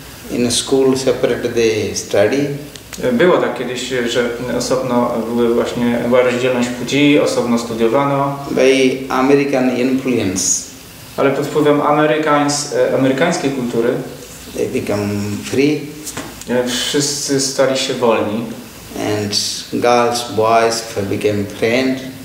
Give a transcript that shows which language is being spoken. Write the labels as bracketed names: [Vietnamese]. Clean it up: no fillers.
[English] In a school separate they study. [Polish] Było tak kiedyś, że osobno były właśnie, była rozdzielność płci, osobno studiowano. [English] By American influence. [Polish] Ale pod wpływem amerykańskiej kultury. [English] They become free. [Polish] Wszyscy stali się wolni. [English] And girls, boys became friends.